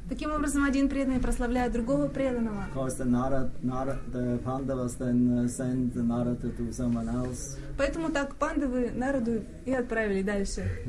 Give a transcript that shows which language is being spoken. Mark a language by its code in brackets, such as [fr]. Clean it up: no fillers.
[ru] Таким образом, один преданный прославляет другого преданного. [en] Of course, the Pandavas then send Narada to someone else. [ru] Поэтому так пандавы Нараду и отправили дальше.